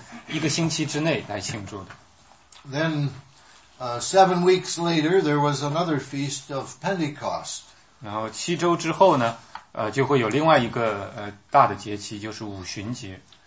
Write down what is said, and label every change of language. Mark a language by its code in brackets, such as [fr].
[zh] 所以我们有逾越节，有除酵节，有初熟节，这三个都是在那一个星期之内来庆祝的。 [en] Then 7 weeks later, there was another feast of Pentecost. [zh] 然后七周之后呢，就会有另外一个大的节期，就是五旬节。